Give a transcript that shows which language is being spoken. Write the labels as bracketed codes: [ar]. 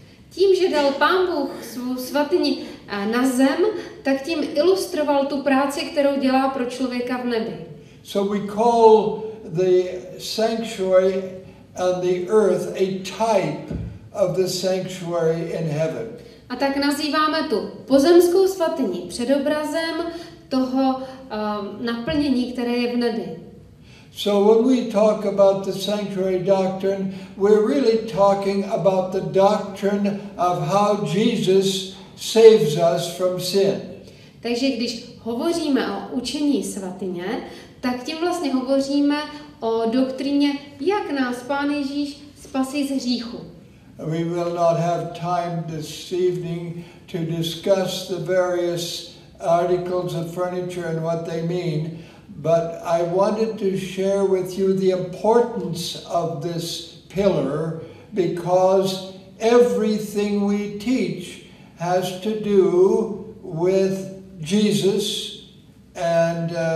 [cs] Tím, že dal Pán Bůh svou svatyni na zem, tak tím ilustroval tu práci, kterou dělá pro člověka v nebi. [en] So we call the sanctuary on the earth a type of the sanctuary in heaven. [cs] A tak nazýváme tu pozemskou svatyni předobrazem toho naplnění, které je v nebi. [en] So when we talk about the sanctuary doctrine, we're really talking about the doctrine of how Jesus saves us from sin. [cs] Takže když hovoříme o učení svatyně, tak tím vlastně hovoříme o doktríně, jak nás Pán Ježíš spasí z hříchu. [en] We will not have time this evening to discuss the various articles of furniture and what they mean, but I wanted to share with you the importance of this pillar because everything we teach has to do with Jesus and